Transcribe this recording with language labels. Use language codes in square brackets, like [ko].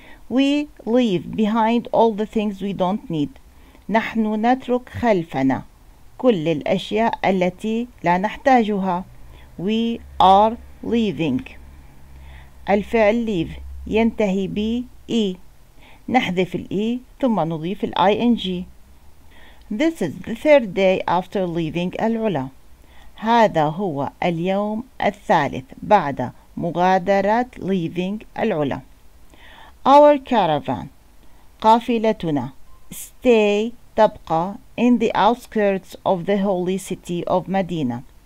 [en] We leave behind all the things we don't need. [ar] نحن نترك خلفنا كل الأشياء التي لا نحتاجها. [en] We are leaving. [ar] الفعل [en] leave [ar] ينتهي ب [en] e. [ar] نحذف ال e ثم نضيف ال ing. [en] This is the third day after leaving العلا. [ar] هذا هو اليوم الثالث بعد مغادرة [en] leaving [ar] العلا. [en] Our caravan [ar] قافلتنا [en] stay [ar] تبقى [en] in the outskirts of the holy city of Medina.